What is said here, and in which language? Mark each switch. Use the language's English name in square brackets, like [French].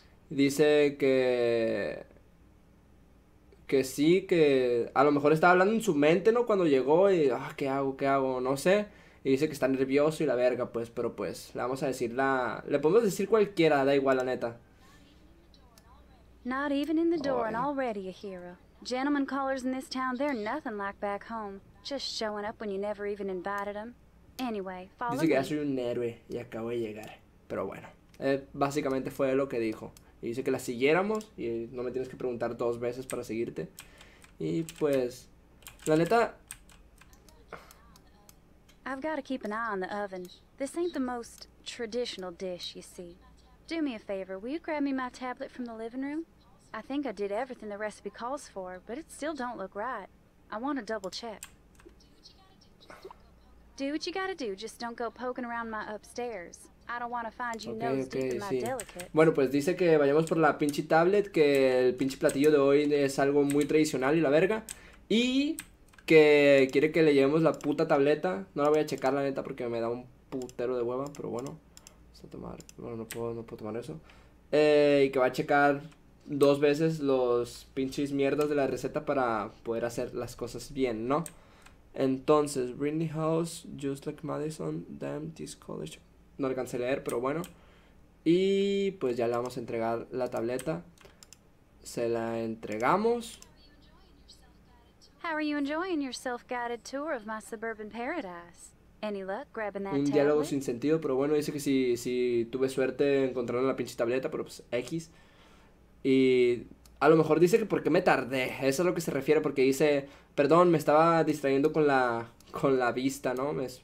[Spanish] Dice que. Que sí, que. A lo mejor estaba hablando en su mente, ¿no? Cuando llegó y. Ah, ¿qué hago? ¿Qué hago? No sé. Y dice que está nervioso y la verga, pues. Pero pues, le vamos a decir la. Le podemos decir cualquiera, da igual, la neta. [English] Not even in the door and Ay. already a hero. Gentlemen callers in this town, they're nothing like back home. Just showing up when you never even invited them. Anyway, follow [Spanish] Dice que ya soy [English] me. [Spanish] un héroe y acabo de llegar. Pero bueno, básicamente fue lo que dijo. Y dice que la siguiéramos y no me tienes que preguntar dos veces para seguirte. Y pues, la neta. [English] I've got to keep an eye on the oven. This ain't the most traditional dish, you see. Do me a favor, will you grab me my tablet from the living room? I think I did everything the recipe calls for, but it still don't look right. I want to double check. Do what you gotta do, just don't go poking around my upstairs. I don't wanna find you nose deep in my [Spanish] sí. Bueno, pues dice que vayamos por la pinche tablet, que el pinche platillo de hoy es algo muy tradicional y la verga. Y que quiere que le llevemos la puta tableta. No la voy a checar, la neta, porque me da un putero de hueva, pero bueno. Vamos a tomar. Bueno, no puedo tomar eso. Y que va a checar dos veces los pinches mierdas de la receta para poder hacer las cosas bien, ¿no? [English] Entonces, Brindley House, just like Madison, damn this college. [Spanish] No alcancé a leer, pero bueno. Y pues ya le vamos a entregar la tableta. Se la entregamos. [English] How are you enjoying your self-guided tour of my suburban paradise? Any luck grabbing that [Spanish] tablet? Un diálogo sin sentido, pero bueno, dice que si tuve suerte encontrando la pinche tableta, pero pues X. Y a lo mejor dice que porque me tardé, eso es a lo que se refiere, porque dice, perdón, me estaba distrayendo con la vista, ¿no?